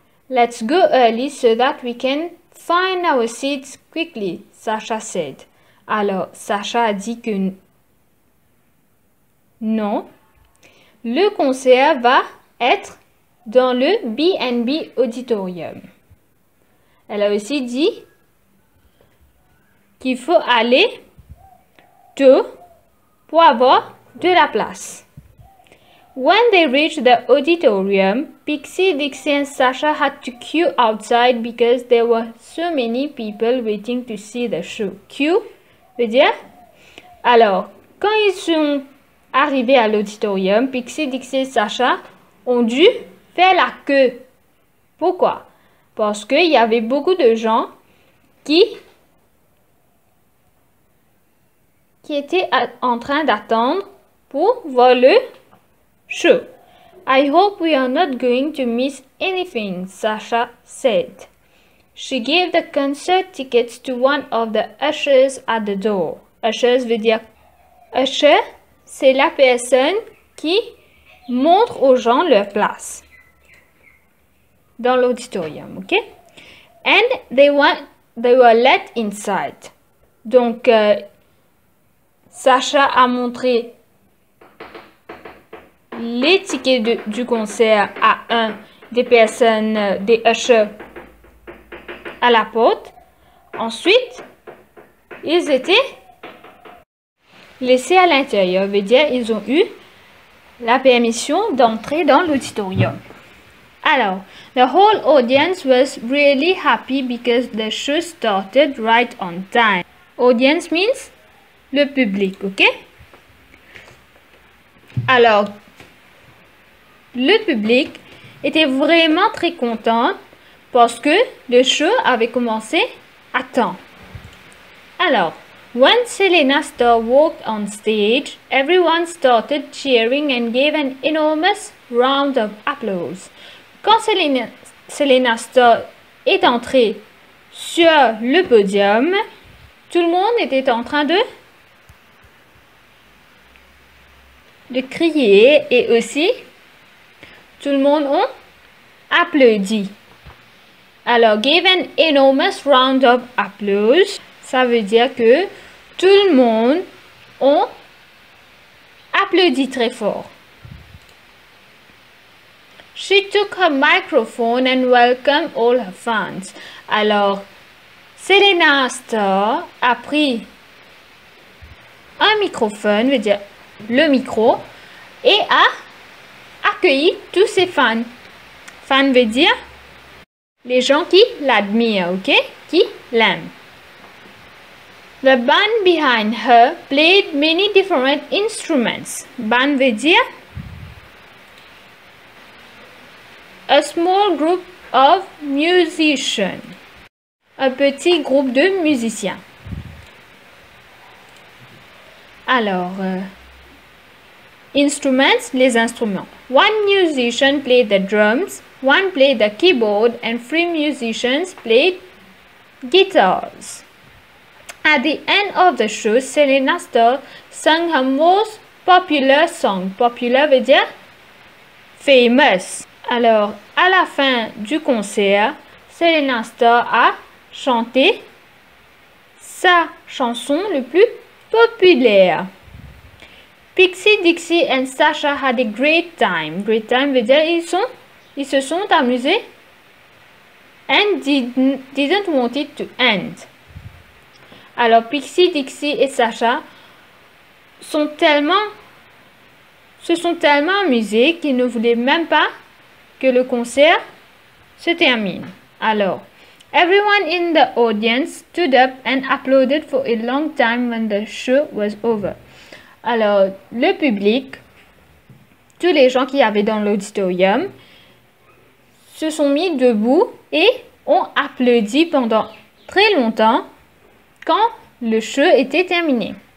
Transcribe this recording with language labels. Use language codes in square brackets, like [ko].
[en] Let's go early so that we can find our seats quickly, Sasha said. [fr] Alors, Sasha a dit que non, le concert va être dans le B&B Auditorium. Elle a aussi dit qu'il faut aller tôt pour avoir de la place. [en] When they reached the auditorium, Pixie, Dixie and Sasha had to queue outside because there were so many people waiting to see the show. [fr] Queue? Veut dire? Alors, quand ils sont arrivés à l'auditorium, Pixie, Dixie et Sasha ont dû faire la queue. Pourquoi? Parce qu'il y avait beaucoup de gens qui étaient en train d'attendre pour voir le show. [en] I hope we are not going to miss anything, Sasha said. She gave the concert tickets to one of the ushers at the door. [fr] Ushers veut dire... Usher, c'est la personne qui montre aux gens leur place dans l'auditorium, ok? [en] And they were let inside. [fr] Donc, Sasha a montré les tickets du concert à un des personnes, des ushers à la porte. Ensuite, ils étaient laissés à l'intérieur, veut dire ils ont eu la permission d'entrer dans l'auditorium. [en] Alors, the whole audience was really happy because the show started right on time. Audience means [fr] le public, [en] ok? [fr] Alors, le public était vraiment très content parce que le show avait commencé à temps. [en] Alors, when Selena Starr walked on stage, everyone started cheering and gave an enormous round of applause. [fr] Quand Selena Starr est entrée sur le podium, tout le monde était en train de crier et aussi tout le monde a applaudi. Alors, [en] gave an enormous round of applause, [fr] ça veut dire que tout le monde a applaudi très fort. [en] She took her microphone and welcomed all her fans. [fr] Alors, Selena Starr a pris un microphone, veut dire le micro, et a accueilli tous ses fans. Fan veut dire les gens qui l'admirent, ok? Qui l'aiment. [en] The band behind her played many different instruments. Band [fr] veut dire [en] a small group of musicians. [fr] Un petit groupe de musiciens. Alors, instruments, les instruments. [en] One musician played the drums, one played the keyboard, and three musicians played guitars. At the end of the show, Selena Starr sang her most popular song. [fr] Popular veut dire famous. Alors, à la fin du concert, Selena Starr a chanté sa chanson le plus populaire. [en] Pixie Dixie and Sasha had a great time. Great time [fr] veut dire ils se sont amusés [en] and didn't want it to end. [fr] Alors, Pixie, Dixie et Sasha se sont tellement amusés qu'ils ne voulaient même pas que le concert se termine. [en] Alors, everyone in the audience stood up and applauded for a long time when the show was over. [fr] Alors, le public, tous les gens qui avaient dans l'auditorium, se sont mis debout et ont applaudi pendant très longtemps quand le show était terminé.